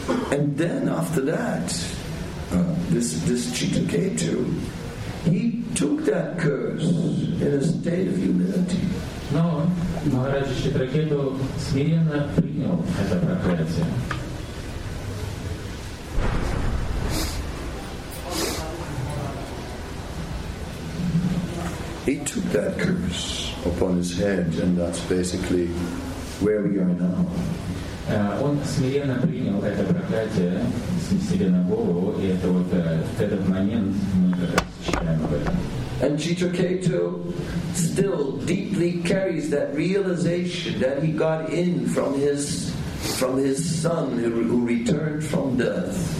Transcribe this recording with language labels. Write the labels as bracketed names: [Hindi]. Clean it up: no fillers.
[English] And then after that, this Chittaketu, he took that curse in a state of humility. [Russian] No, Maharaj Chittaketu смиренно принял это проклятие. [English] He took that curse upon his head, and that's basically where we are now. [Russian] Он смиренно принял это проклятие себе на голову, и это вот в этот момент мы как раз считаем об этом. [English] And Chittaketu still deeply carries that realization that he got in from his son who returned from death.